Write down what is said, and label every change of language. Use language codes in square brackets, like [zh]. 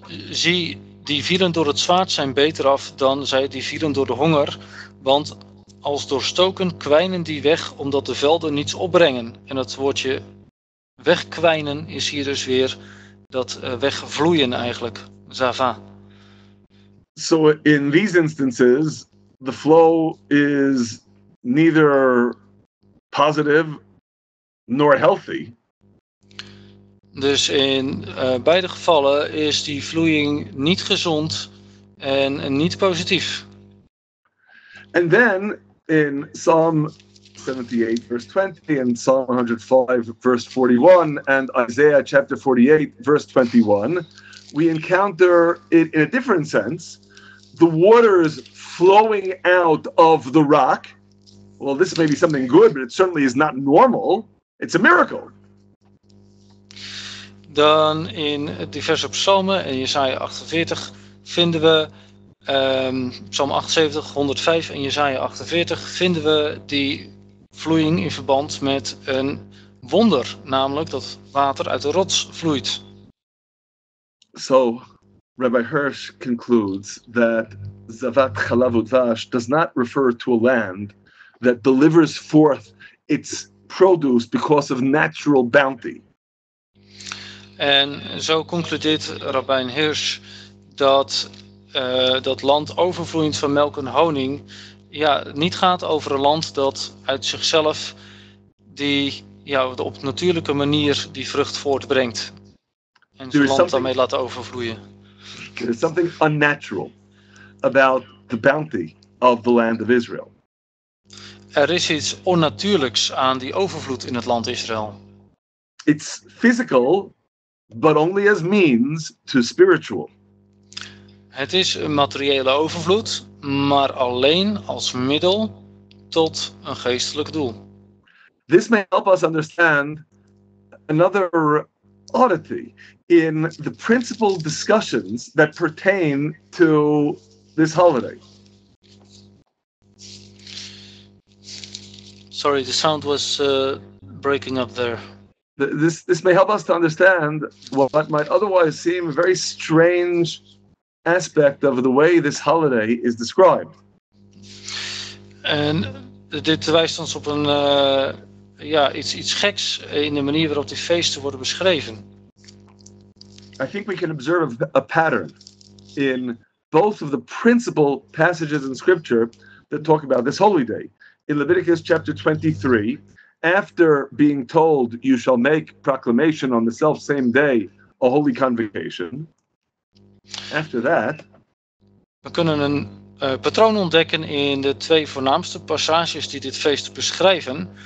[nl] Zie, die vielen door het zwaard zijn beter af dan zij die vielen door de honger, want als doorstoken kwijnen die weg omdat de velden niets opbrengen. En het woordje wegkwijnen is hier dus weer dat wegvloeien eigenlijk, zava. [en] So in these instances, the flow is neither positive nor healthy. [nl] Dus in beide gevallen is die vloeiing niet gezond en niet positief. [en] And then in Psalm 78 verse 20 and Psalm 105 verse 41 and Isaiah chapter 48 verse 21, we encounter it in a different sense. The waters flowing out of the rock. Well, this may be something good, but it certainly is not normal. It's a miracle. [nl] Dan in diverse psalmen, in Jesaja 48, vinden we, psalm 78, 105 en Jesaja 48, vinden we die vloeiing in verband met een wonder, namelijk dat water uit de rots vloeit. [en] So, Rabbi Hirsch concludes that Zavat Chalav Udvash does not refer to a land that delivers forth its produce because of natural bounty. [nl] En zo concludeert Rabbijn Hirsch dat dat land overvloeiend van melk en honing, ja, niet gaat over een land dat uit zichzelf die, ja, op natuurlijke manier die vrucht voortbrengt en zijn land daarmee laat overvloeien. [en] There is something unnatural about the bounty of the land of Israel. [nl] Er is iets onnatuurlijks aan die overvloed in het land Israël. [en] It's physical, but only as means to spiritual. [nl] Het is een materiële overvloed, maar alleen als middel tot een geestelijk doel. [en] This may help us understand another oddity in the principal discussions that pertain to this holiday. Sorry, the sound was breaking up there. This may help us to understand what might otherwise seem a very strange aspect of the way this holiday is described. [nl] En dit wijst ons op een iets geks in de manier waarop die feesten worden beschreven. [en] I think we can observe a pattern in both of the principal passages in Scripture that talk about this holy day. In Leviticus chapter 23, after being told you shall make proclamation on the self same day a holy convocation, after that, [nl] we kunnen een patroon ontdekken in de twee voornaamste passages die dit feest beschrijven.